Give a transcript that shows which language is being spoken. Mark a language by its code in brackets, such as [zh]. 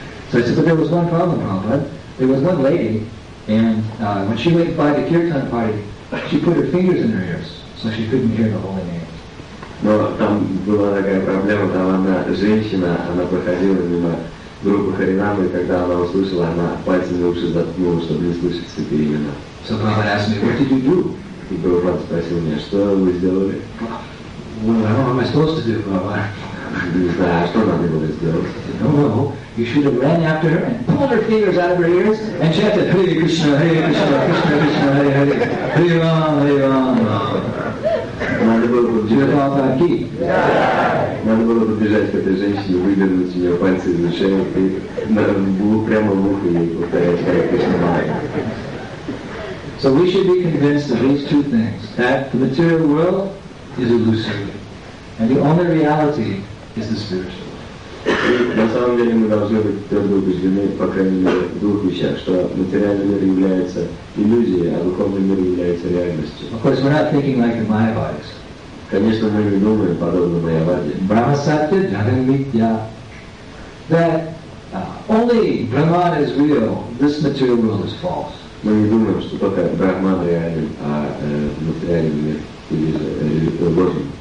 [en] So I said, but there was one problem, Prabhupada. There was one lady, and when she went by the kirtan party, she put her fingers in her ears, so she couldn't hear the holy names. [ru] Но там была такая проблема, там одна женщина, она проходила мимо группы Харинамы, и когда она услышала, она пальцами уши заткнула, чтобы не слышать святые имена. [en] So Prabhupada asked me, what did you do? [ru] И Прабхупада спросил меня, что вы сделали? [en] Well, what am I supposed to do, Prabhupada? [ru] Не знаю, а что надо было сделать? [en] You should have ran after her and pulled her fingers out of her ears and chanted, Hare Krishna, Hare Krishna, Krishna Krishna, Krishna, Krishna Hare Hare, Hare Rama, Hare Rama. [ru] Надо было побежать. [en] Yeah. [ru] Надо было побежать к этой женщине, выдернуть ее пальцы из шеи и прямо в ухо ей повторять Hare Krishna. [en] So we should be convinced of these two things, that the material world is illusory. And the only reality is the spiritual. [ru] И на самом деле мы должны быть твердо убеждены, по крайней мере, в двух вещах, что материальный мир является иллюзией, а духовный мир является реальностью. [en] Of course, we're not thinking like the Mayavadis. [ru] Конечно, мы не думаем подобно Майяваде. [sa] Brahma Satya Jagan Mithya. [en] That only Brahman is real, this material world is false. [ru] Мы не думаем, что только Брахман реален, а материальный мир иллюзий.